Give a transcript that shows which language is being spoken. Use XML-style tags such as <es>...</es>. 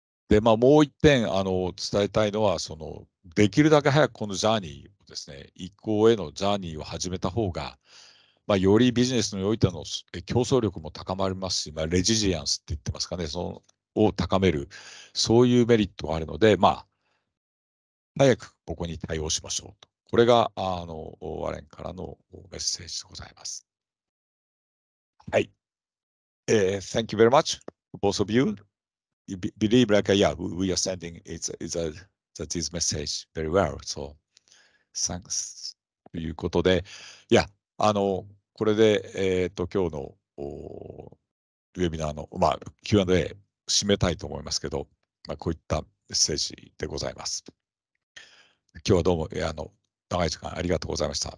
<ja>で、まあもう一点あの伝えたいのは、そのできるだけ早くこのジャーニーをですね、移行へのジャーニーを始めた方が、まあよりビジネスにおいての競争力も高まりますし、まあレジリエンスって言ってますかね、そのを高める、そういうメリットがあるので、まあ早くここに対応しましょうと。これがあのアレンからのメッセージでございます。はい。</ja> <en>Thank you very much, both of you. You believe like, yeah, we are sending this message very well. So, thanks.</en> <ja>ということで、いや、あの、これで、今日のウェビナーの、まあ、Q&A 締めたいと思いますけど、まあ、こういったメッセージでございます。今日はどうも、あの、長い時間ありがとうございました。</ja>